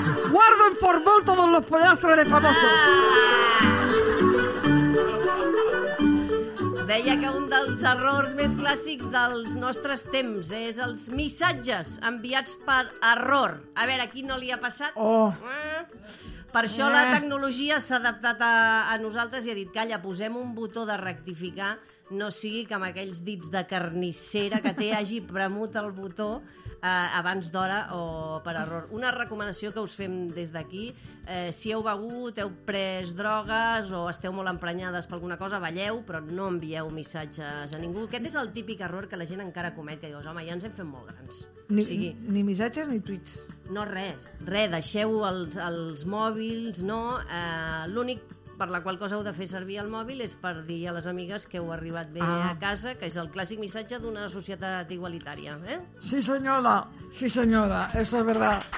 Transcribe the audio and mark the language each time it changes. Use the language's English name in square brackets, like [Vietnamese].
[Spanish] Guardo en formol todos los pollastres de famosos. Ah. [Catalan] Deia que un dels errors més clàssics dels nostres temps és els missatges enviats per error. A veure, a qui no li ha passat? Oh. Per això la tecnologia s'ha adaptat a nosaltres i ha dit, calla, posem un botó de rectificar, no sigui que amb aquells dits de carnissera que té hagi premut el botó abans d'hora o per error. Una recomanació que us fem des d'aquí, si heu begut, heu pres drogues o esteu molt emprenyades per alguna cosa, balleu, però no envieu missatges a ningú. Aquest és el típic error que la gent encara comet, que dius, home, ja ens hem fet molt grans. Ni, o sigui, ni missatges ni tuits. No, res, deixeu els mòbils, no? L'únic per la qual cosa heu de fer servir el mòbil és per dir a les amigues que heu arribat bé a casa, que és el clàssic missatge d'una societat igualitària. Eh? [Spanish] Sí, senyora, eso es verdad.